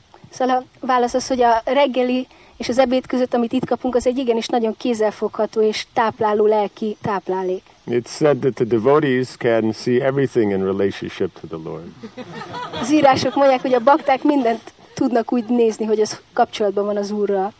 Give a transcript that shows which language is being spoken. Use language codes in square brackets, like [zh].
[hu] Szóval a válasz az, hogy a reggeli és az ebéd között, amit itt kapunk, az egy igenis nagyon kézzelfogható és tápláló lelki táplálék. [en] It's said that the devotees can see everything in relationship to the Lord. [hu] Az írások mondják, hogy a bakták mindent tudnak úgy nézni, hogy ez kapcsolatban van az Úrral.